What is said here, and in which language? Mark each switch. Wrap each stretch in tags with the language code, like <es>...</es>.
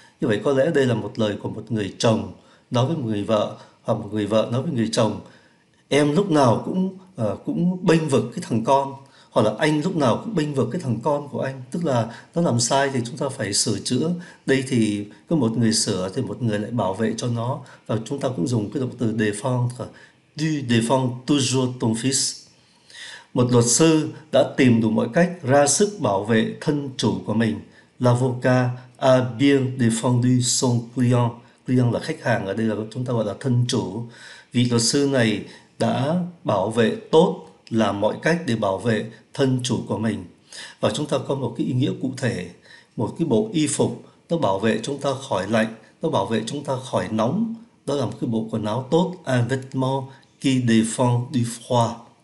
<vi>Như vậy có lẽ đây là một lời của một người chồng nói với một người vợ, hoặc một người vợ nói với người chồng: em lúc nào cũng cũng bênh vực cái thằng con, hoặc là anh lúc nào cũng bênh vực cái thằng con của anh, tức là nó làm sai thì chúng ta phải sửa chữa. Đây thì có một người sửa thì một người lại bảo vệ cho nó, và chúng ta cũng dùng cái động từ défendre,</vi> <fr>du défendre toujours ton fils.</fr> <vi>Một luật sư đã tìm đủ mọi cách ra sức bảo vệ thân chủ của mình.</vi> <fr>L'avocat a bien défendu son client.</fr> <vi>Client là khách hàng, ở đây là chúng ta gọi là thân chủ. Vị luật sư này đã bảo vệ tốt, làm mọi cách để bảo vệ thân chủ của mình. Và chúng ta có một cái ý nghĩa cụ thể, một cái bộ y phục nó bảo vệ chúng ta khỏi lạnh, nó bảo vệ chúng ta khỏi nóng, đó là một cái bộ quần áo tốt,</vi> <fr>un vêtement qui défend du froid.</fr>